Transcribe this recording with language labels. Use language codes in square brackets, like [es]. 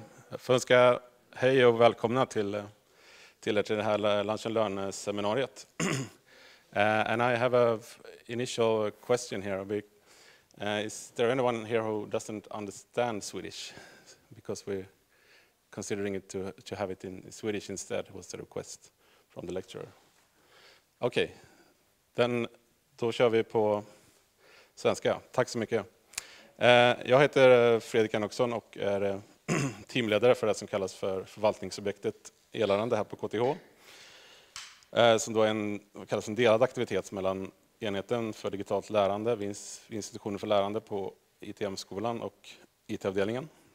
[sv] Jag önskar hej och välkomna till det här Lunch and Learn-seminariet. [en] And I have a initial question here. Is there anyone here who doesn't understand Swedish? Because we're considering it to have it in Swedish instead, was the request from the lecturer. Okay, then [sv] då kör vi på svenska. Tack så mycket. Jag heter Fredrik Andersson och är teamledare för det som kallas för förvaltningsobjektet elärande här på KTH. Som då är en delad aktivitet mellan enheten för digitalt lärande vid institutionen för lärande på ITM-skolan och IT-avdelningen.